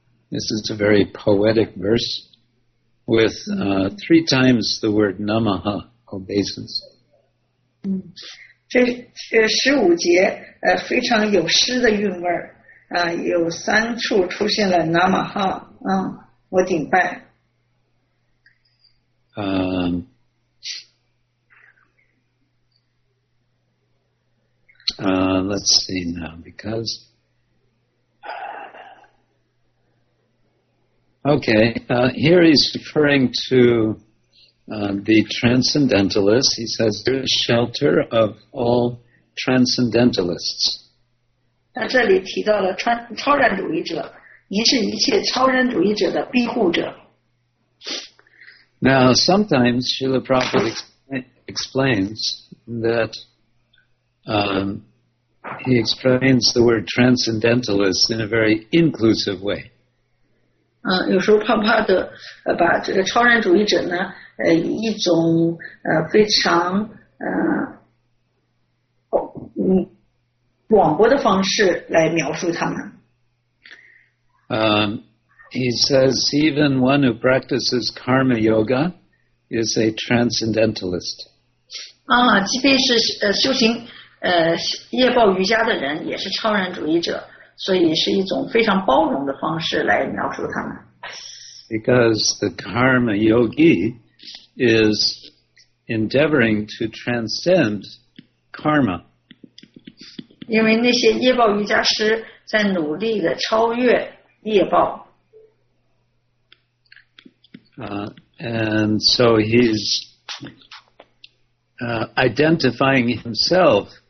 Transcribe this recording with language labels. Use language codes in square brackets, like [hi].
[en] This is a very poetic verse with three times the word namaha, obeisance. [zh] 这十五节非常有诗的韵味儿。有三处出现了南马哈，我顶拜。 [en] Let's see now, because here he's referring to the transcendentalists. He says, "There is shelter of all transcendentalists." [zh] 那这里提到了超然主义者，您是一切超然主义者的庇护者。 [en] Now, sometimes Srila Prabhupada explains that he explains the word transcendentalist in a very inclusive way. [zh] 有时候帕帕德把这个超然主义者呢，以一种非常广博的方式来描述他们。 [en] He says even one who practices karma yoga is a transcendentalist. [zh] 即便是修行业报瑜伽的人也是超然主义者，所以是一种非常包容的方式来描述他们。 [en] Because the karma yogi is endeavoring to transcend karma. [zh] 因为那些业报瑜伽师在努力的超越业报。 [en] And so he's identifying himself.